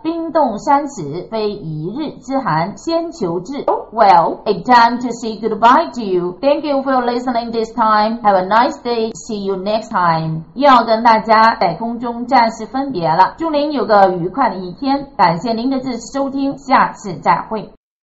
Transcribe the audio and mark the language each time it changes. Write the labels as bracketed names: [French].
[Chinese] 冰冻三尺，非一日之寒，先求治。 [English] Well, it's time to say goodbye to you. Thank you for listening this time. Have a nice day. See you next time. [Chinese] 要跟大家在空中暂时分别了，祝您有个愉快的一天，感谢您的支持收听，下次再会。